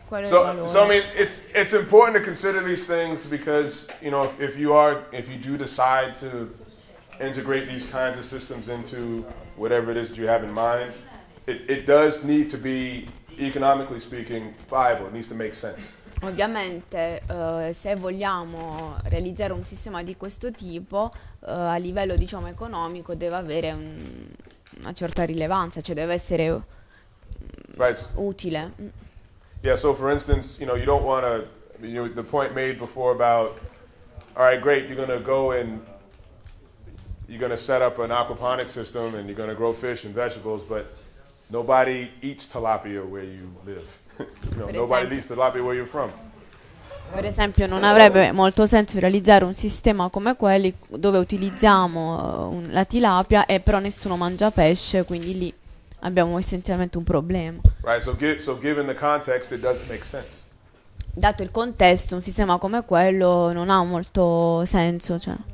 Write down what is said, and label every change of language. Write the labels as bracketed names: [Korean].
[English] So I mean, it's important to consider these things because, you know, if you do decide to integrate these kinds of systems into whatever it is that you have in mind, it does need to be, economically speaking, viable. It needs to make sense. [Italian] Ovviamente, se vogliamo realizzare un sistema di questo tipo, a livello, diciamo, economico, deve avere una certa rilevanza, cioè deve essere utile. [English] Yeah, so for instance, you know, you don't want to, you know, the point made before about, all right, great, you're going to go and you're going to set up an aquaponic system and you're going to grow fish and vegetables, but nobody eats tilapia where you live. You know, nobody eats tilapia where you're from. [Italian] Per esempio, non avrebbe molto senso realizzare un sistema come quelli dove utilizziamo la tilapia e però nessuno mangia pesce, quindi lì. Abbiamo essenzialmente un problema. [English] Right, so given the context, it doesn't make sense. [Italian] Dato il contesto, un sistema come quello non ha molto senso, cioè.